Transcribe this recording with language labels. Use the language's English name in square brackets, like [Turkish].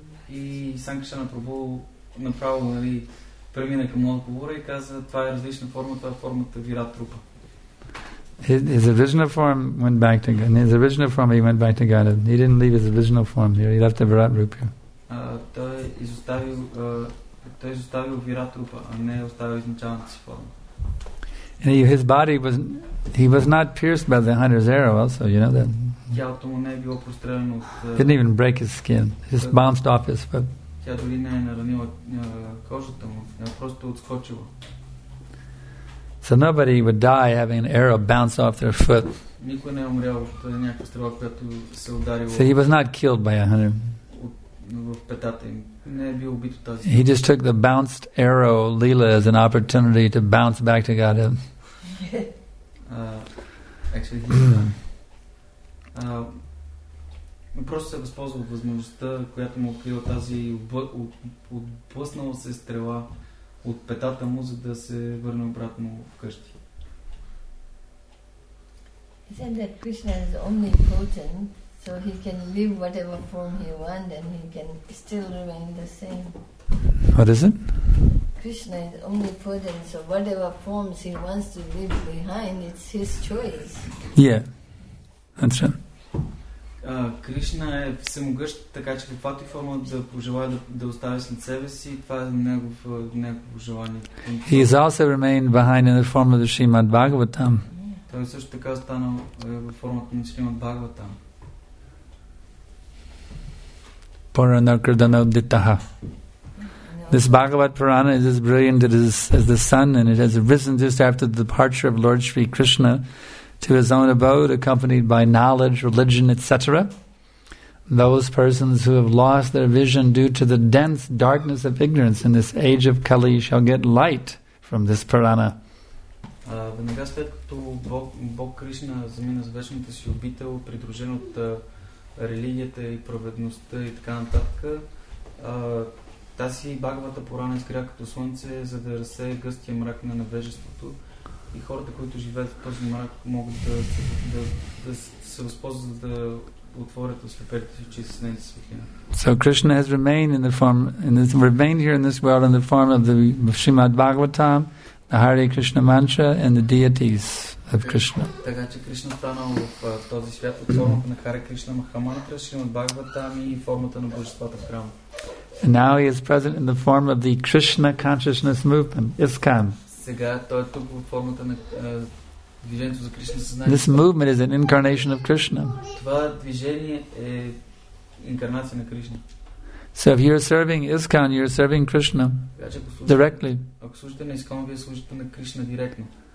[Bulgarian] И Санкшана Прабу направо, нали, премина към отговора и каза, това е различна форма, това е формата Вират Рупа. [English] His original form went back to God. His original form, he went back to God. He didn't leave his original form here. He left the Virat Rupa. [Bulgarian] Той изоставил Вират Рупа, а не оставил изначалната си форма. [English] And his body was, he was not pierced by the hunter's arrow also, you know that. [Bulgarian] Тялото му не е било прострелено от... [English] Didn't even break his skin. Just bounced off his foot. [Bulgarian] Тя дори не е наранила кожата му. Тя просто отскочила. [English] So nobody would die having an arrow bounce off their foot. [Bulgarian] Никой не е умрял от някаква стрела, която се ударила... [English] So he was not killed by a hunter. [Bulgarian] в петата им. Не е бил убит от тази. [English] He just took the bounced arrow Leela as an opportunity to bounce back to Godhead. [Bulgarian] Actually, просто се е възползвал от възможността, която му открила тази отблъснала се стрела от петата му, за да се върне обратно вкъщи. [English] He said that Krishna is omnipotent, so he can live whatever form he wants and he can still remain the same. What is it? Krishna is omnipotent, so whatever forms he wants to leave behind, it's his choice. Yeah, that's right. [Bulgarian] Krishna е всемогъщ, така че каквато и форма да пожелая да остави след себе си, това е негово желание. [English] He has also remained behind in the form of the Srimad Bhagavatam. [Bulgarian] Той също така останал в формата на Шримад Бхагаватам. [Sanskrit] Purana Kridana Udittaha. [English] This Bhagavat Purana is as brilliant as the sun, and it has arisen just after the departure of Lord Sri Krishna to his own abode, accompanied by knowledge, religion, etc. Those persons who have lost their vision due to the dense darkness of ignorance in this age of Kali shall get light from this Purana. [Bulgarian] Веднага след като Бог Кришна замина с вечната си обител, придружен от религията и праведността и така нататък, тази Бхагавата Пурана изгря като слънце, за да разсее гъстия мрак на невежеството. И хората, които живеят в този мрак, могат да се възползват да отворят ослепелите си очи с нейната светлина. [English] So Krishna has remained in the form remained here in this world in the form of the Srimad Bhagavatam, the Hare Krishna mantra and the deities of Krishna. [Bulgarian] Така че Кришна станал в този свят под формата на Хари Кришна Махамантра, Шримад Бхагаватам и формата на Божествата в храма. [English] And now he is present in the form of the Krishna consciousness movement, ISKCON. [Bulgarian] Сега той е тук в формата на движението за Кришна съзнание. [English] This movement is an incarnation of Krishna. [Bulgarian] Това движение е инкарнация на Кришна. [English] So if you're serving ISKCON, you're serving Krishna directly. [Bulgarian] Ако служите на ISKCON, вие служите на Кришна директно.